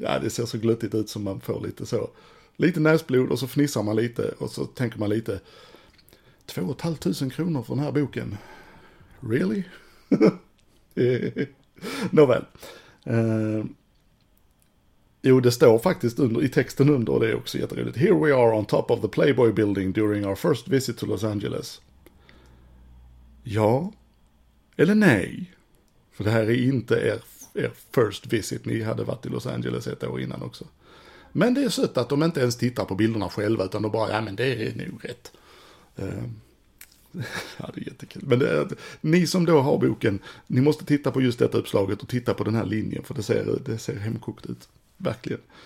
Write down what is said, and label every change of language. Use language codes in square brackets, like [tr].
[sv] Ja, det ser så glöttigt ut som man får lite så, lite näsblod och så fnissar man lite och så tänker man lite, 2 500 kronor för den här boken, really? Nåväl. Jo, det står faktiskt under, i texten under, och det är också jätteroligt. [en] Here we are on top of the Playboy building during our first visit to Los Angeles. [sv] Ja, eller nej. För det här är inte er first visit. Ni hade varit i Los Angeles ett år innan också. Men det är sött att de inte ens tittar på bilderna själva, utan de bara, ja men det är nog rätt. Ja, det är jättekul. Men det, ni som då har boken, ni måste titta på just detta uppslaget och titta på den här linjen, för det ser hemkokt ut. Verkligen.